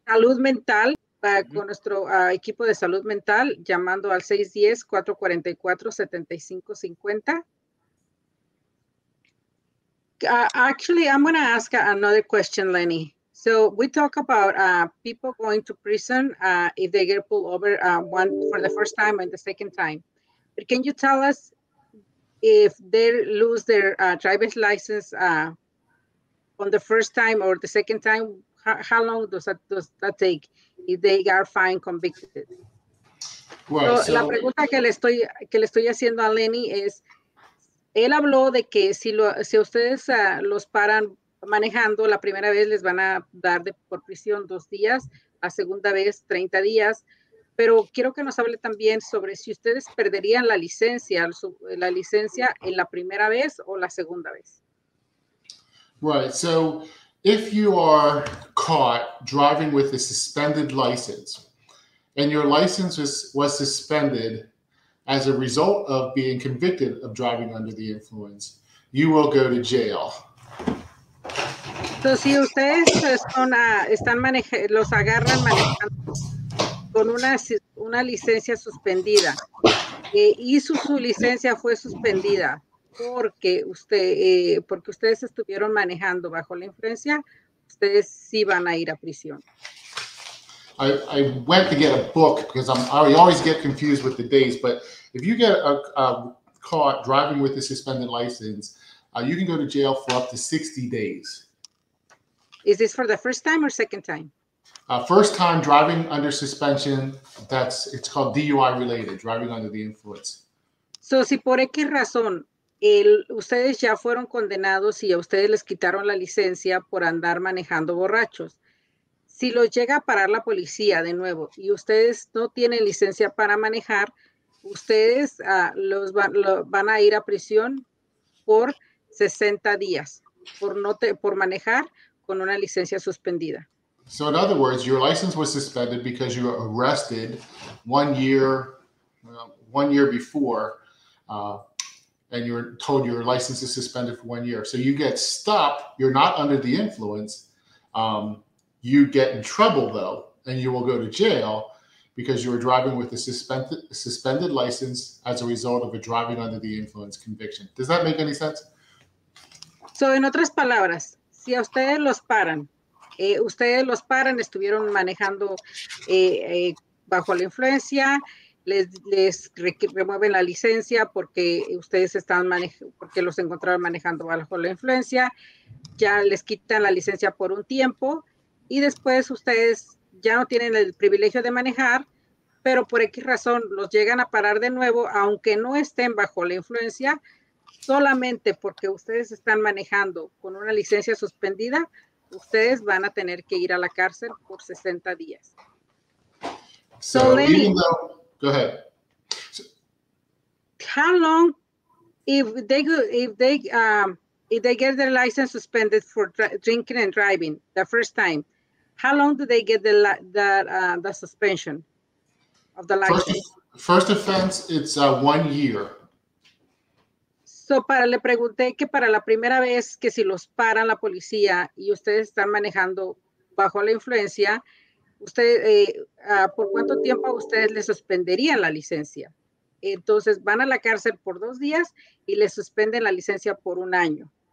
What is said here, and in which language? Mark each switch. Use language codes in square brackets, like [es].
[es] Salud mental, con nuestro equipo de salud mental, llamando al 610-444-7550. [en] Actually, I'm going to ask another question, Lenny. So we talk about people going to prison if they get pulled over one for the first time and the second time. But can you tell us if they lose their driver's license on the first time or the second time, how long does that take if they are fined, convicted? Well, [es] la pregunta que le estoy haciendo a Lenny es, él habló de que si ustedes los paran manejando la primera vez, les van a dar por prisión 2 días, la segunda vez 30 días. Pero quiero que nos hable también sobre si ustedes perderían la licencia en la primera vez o la segunda vez. [en] Right. So if you are caught driving with a suspended license and your license was suspended as a result of being convicted of driving under the influence, you will go to jail. [es] So, si ustedes los agarran manejando con una licencia suspendida, y su licencia fue suspendida porque ustedes estuvieron manejando bajo la influencia, ustedes sí van a ir a prisión. [en] I went to get a book because I always get confused with the days, but if you get caught driving with a suspended license, you can go to jail for up to 60 days. Is this for the first time or second time? First time driving under suspension, it's called DUI related, driving under the influence. [es] So si por X razón ustedes ya fueron condenados y a ustedes les quitaron la licencia por andar manejando borrachos, si los llega a parar la policía de nuevo y ustedes no tienen licencia para manejar, ustedes van a ir a prisión por 60 días por manejar con una licencia suspendida. [en] So in other words, your license was suspended because you were arrested one year before, and you were told your license is suspended for 1 year. So you get stopped. You're not under the influence. You get in trouble, though, and you will go to jail because you were driving with a suspended license as a result of a driving under the influence conviction. Does that make any sense? [es] So in otras palabras, si a ustedes los paran, ustedes los paran, estuvieron manejando bajo la influencia, les remueven la licencia porque ustedes están porque los encontraron manejando bajo la influencia, ya les quitan la licencia por un tiempo y después ustedes ya no tienen el privilegio de manejar, pero por X razón los llegan a parar de nuevo, aunque no estén bajo la influencia, solamente porque ustedes están manejando con una licencia suspendida, ustedes van a tener que ir a la cárcel por 60 días. [en] So then, even though, go ahead. How long, if they get their license suspended for drinking and driving the first time, how long do they get the suspension of the license? First offense, it's 1 year. [es] So, le pregunté que para la primera vez que si los paran la policía y ustedes están manejando bajo la influencia, ¿por cuánto tiempo ustedes le suspenderían la licencia? Entonces, van a la cárcel por 2 días y le suspenden la licencia por 1 año.